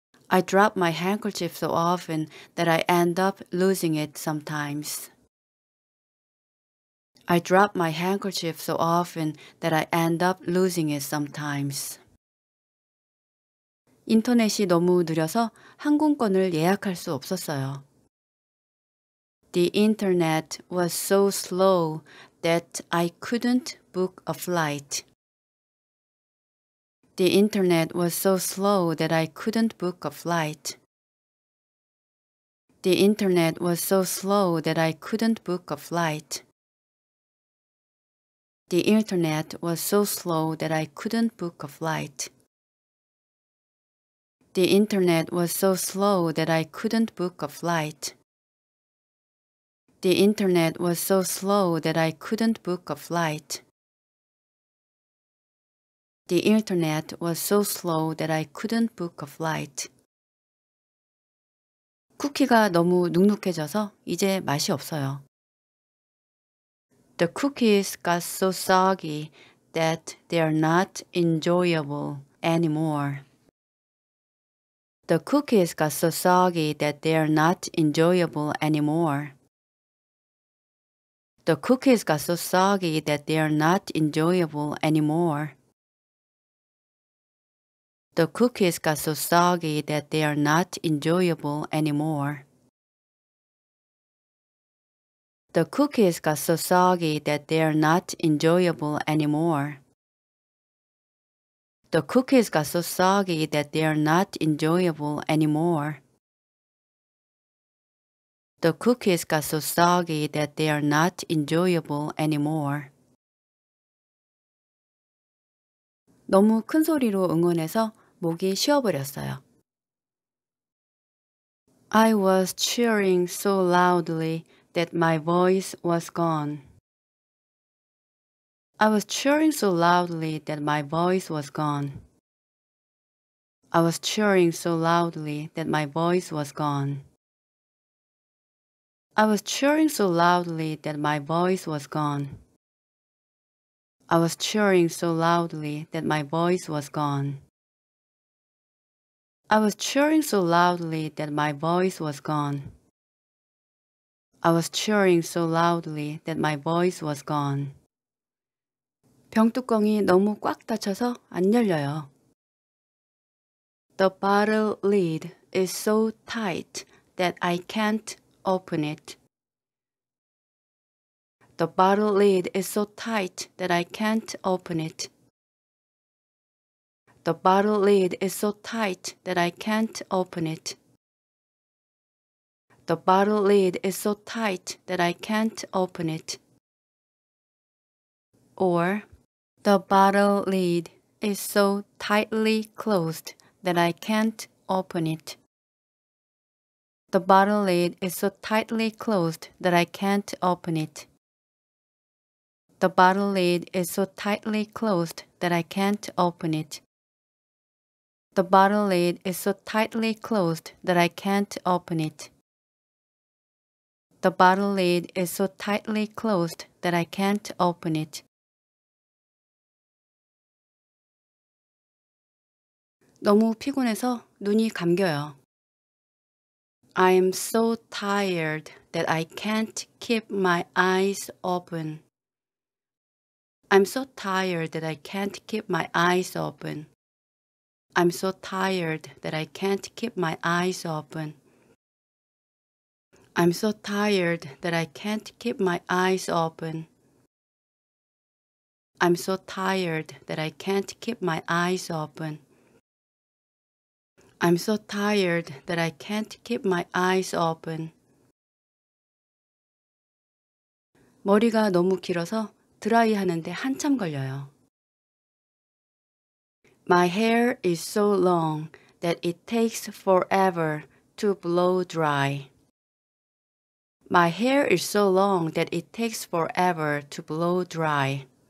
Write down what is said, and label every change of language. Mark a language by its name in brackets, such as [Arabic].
[English] I drop my handkerchief so often that I end up losing it sometimes. I drop my handkerchief so often that I end up losing it sometimes. [Korean] 인터넷이 너무 느려서 항공권을 예약할 수 없었어요. [English] The internet was so slow that I couldn't book a flight. The internet was so slow that I couldn't book a flight. The internet was so slow that I couldn't book a flight. The internet was so slow that I couldn't book a flight. The internet was so slow that I couldn't book a flight. The internet was so slow that I couldn't book a flight. The internet was so slow that I couldn't book a flight. [Korean] 쿠키가 너무 눅눅해져서 이제 맛이 없어요. [English] The cookies got so soggy that they are not enjoyable anymore. The cookies got so soggy that they are not enjoyable anymore. The cookies got so soggy that they are not enjoyable anymore. The cookies got so soggy that they are not enjoyable anymore. The cookies got so soggy that they are not enjoyable anymore. The cookies got so soggy that they are not enjoyable anymore. The cookies got so soggy that they are not enjoyable anymore. [Korean] 너무 큰 소리로 응원해서 목이 쉬어버렸어요. [English] I was cheering so loudly that my voice was gone. I was cheering so loudly that my voice was gone. I was cheering so loudly that my voice was gone. I was cheering so loudly that my voice was gone. I was cheering so loudly that my voice was gone. I was cheering so loudly that my voice was gone. I was cheering so loudly that my voice was gone. [Korean] 병뚜껑이 너무 꽉 닫혀서 안 열려요. [English] The bottle lid is so tight that I can't open it. The bottle lid is so tight that I can't open it. The bottle lid is so tight that I can't open it. The bottle lid is so tight that I can't open it. Or, the bottle lid is so tightly closed that I can't open it. The bottle lid is so tightly closed that I can't open it. The bottle lid is so tightly closed that I can't open it. The bottle lid is so tightly closed that I can't open it. The bottle lid is so tightly closed that I can't open it. [Korean] 너무 피곤해서 눈이 감겨요. [English] I am so tired that I can't keep my eyes open. I'm so tired that I can't keep my eyes open. I'm so tired that I can't keep my eyes open. I'm so tired that I can't keep my eyes open. I'm so tired that I can't keep my eyes open. I'm so tired that I can't keep my eyes open. [Korean] 머리가 너무 길어서 드라이하는데 한참 걸려요. [English] My hair is so long that it takes forever to blow dry. My hair is so long that it takes forever to blow dry.